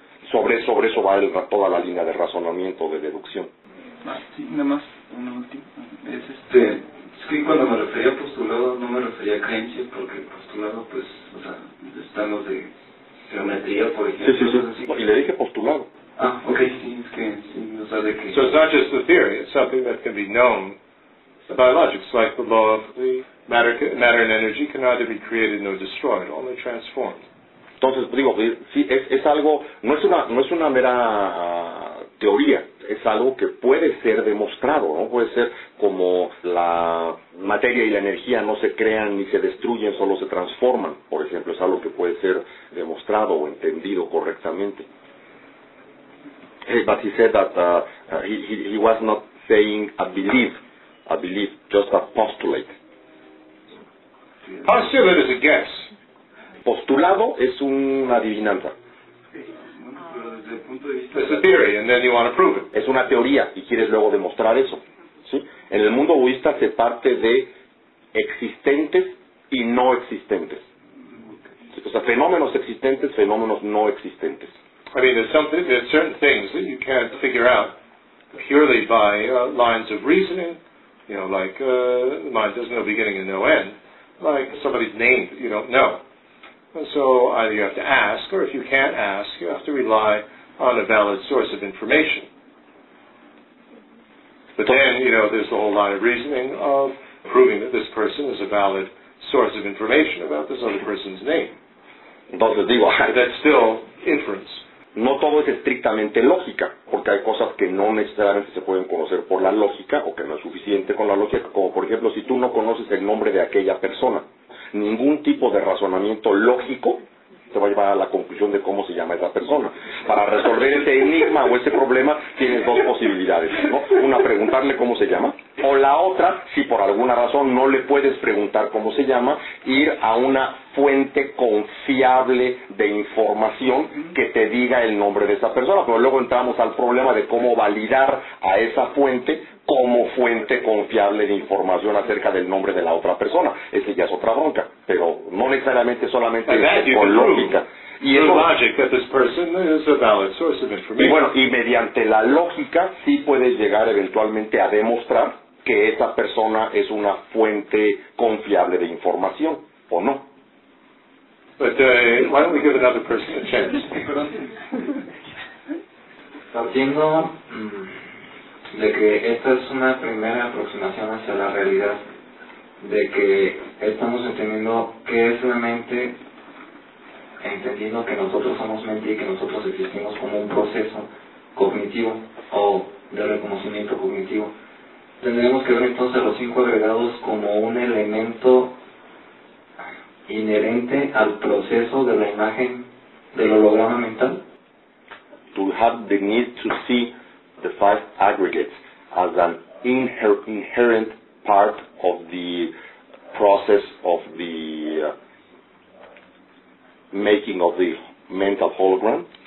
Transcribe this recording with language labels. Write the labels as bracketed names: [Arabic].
[Spanish] Sobre eso va toda la línea de razonamiento, de deducción. Sí, nada más, un último. Es que cuando me refería a postulado, no me refería a creencias, porque postulado, pues, o sea, están los de geometría, por ejemplo. Sí, sí, sí. Y le dije postulado. Ah, okay, sí, es que, sí, o sea, de que... [English] So it's not just the theory, it's something that can be known by logic. It's like the law of the matter and energy can neither be created nor destroyed, only transformed. [Spanish] Entonces, digo, sí, es algo, no es una mera teoría, es algo que puede ser demostrado, ¿no? Puede ser como la materia y la energía no se crean ni se destruyen, solo se transforman, por ejemplo, es algo que puede ser demostrado o entendido correctamente. [English] Hey, but he said that he was not saying a belief, just a postulate. Postulate is a guess. [Spanish] Postulado es una adivinanza. [English] It's a theory, and then you want to prove it. [Spanish] Es una teoría y quieres luego demostrar eso. ¿Sí? En el mundo budista se parte de existentes y no existentes. ¿Sí? O sea, fenómenos existentes, fenómenos no existentes. [English] I mean, there's certain things that you can't figure out purely by lines of reasoning. You know, like the mind has no beginning and no end. Like somebody's name, you don't know. So either you have to ask, or if you can't ask, you have to rely on a valid source of information. But then, you know, there's a whole lot of reasoning of proving that this person is a valid source of information about this other person's name. [Spanish] Entonces digo, [English] that's still inference. [Spanish] No todo es estrictamente lógica, porque hay cosas que no necesariamente se pueden conocer por la lógica o que no es suficiente con la lógica, como por ejemplo si tú no conoces el nombre de aquella persona, ningún tipo de razonamiento lógico te va a llevar a la conclusión de cómo se llama esa persona. Para resolver ese enigma o ese problema tienes dos posibilidades, ¿no? Una, preguntarle cómo se llama, o la otra, si por alguna razón no le puedes preguntar cómo se llama, ir a una fuente confiable de información que te diga el nombre de esa persona. Pero luego entramos al problema de cómo validar a esa fuente como fuente confiable de información acerca del nombre de la otra persona. Esa ya es otra bronca, pero no necesariamente solamente con lógica. Y eso, [English] logic that this person is a valid source of information. [Spanish] Y bueno, y mediante la lógica sí puedes llegar eventualmente a demostrar que esa persona es una fuente confiable de información, ¿o no? [English] But why don't we give another person a chance? [Spanish] Partiendo de que esta es una primera aproximación hacia la realidad, de que estamos entendiendo qué es la mente, entendiendo que nosotros somos mente y que nosotros existimos como un proceso cognitivo o de reconocimiento cognitivo, tendremos que ver entonces los cinco agregados como un elemento inherente al proceso de la imagen del holograma mental. [English] To have the need to see the five aggregates as an inherent part of the process of the making of the mental hologram?